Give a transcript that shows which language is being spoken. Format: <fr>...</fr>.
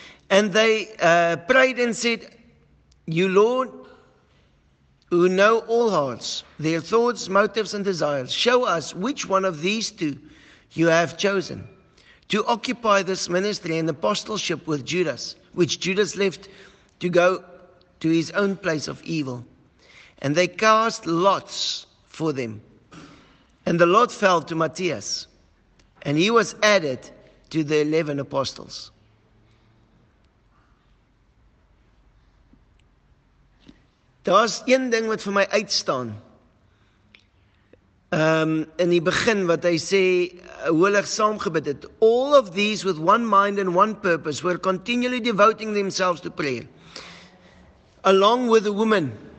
<en>And they prayed and said, you Lord, who know all hearts, their thoughts, motives, and desires, show us which one of these two you have chosen to occupy this ministry and apostleship with Judas, which Judas left to go to his own place of evil. And they cast lots for them. And the lot fell to Matthias, and he was added to the 11 apostles.</en> <af>Daar's een ding wat vir my uitstaan. In die begin wat hy sê, hoe hulle saam gebid het.</af> <en>All of these with one mind and one purpose were continually devoting themselves to prayer, along with the woman.</en>